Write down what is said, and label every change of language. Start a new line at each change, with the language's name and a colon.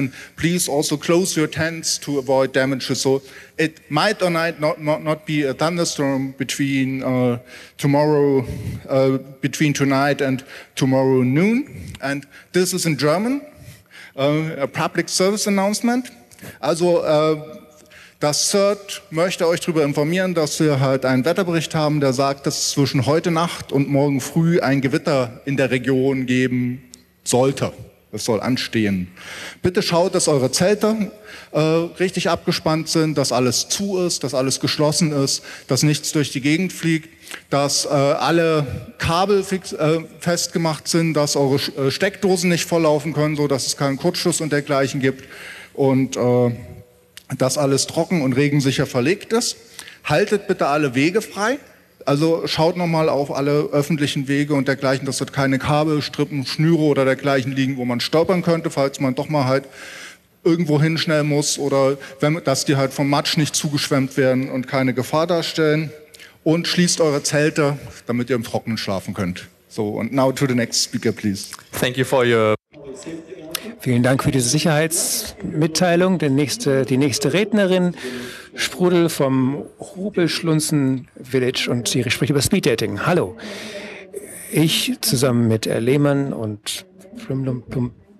English: And please also close your tents to avoid damages. So it might or might not be a thunderstorm between tonight and tomorrow noon. And this is in German, a public service announcement.
German: Also, das CERT möchte euch darüber informieren, dass wir halt einen Wetterbericht haben, der sagt, dass es zwischen heute Nacht und morgen früh ein Gewitter in der Region geben sollte. Es soll anstehen. Bitte schaut, dass eure Zelte richtig abgespannt sind, dass alles zu ist, dass alles geschlossen ist, dass nichts durch die Gegend fliegt, dass alle Kabel festgemacht sind, dass eure Steckdosen nicht volllaufen können, sodass es keinen Kurzschluss und dergleichen gibt. Und dass alles trocken und regensicher verlegt ist. Haltet bitte alle Wege frei. Also schaut nochmal auf alle öffentlichen Wege und dergleichen, dass dort keine Kabel, Strippen, Schnüre oder dergleichen liegen, wo man stolpern könnte, falls man doch mal halt irgendwo hin schnell muss oder wenn, dass die halt vom Matsch nicht zugeschwemmt werden und keine Gefahr darstellen. Und schließt eure Zelte, damit ihr im Trockenen schlafen könnt.
English: So, and now to the next speaker, please. Thank you for your...
German: Vielen Dank für diese Sicherheitsmitteilung. Die nächste Rednerin Sprudel vom Rubelschlunzen Village und sie spricht über Speed Dating. Hallo. Ich zusammen mit Lehmann und Plum.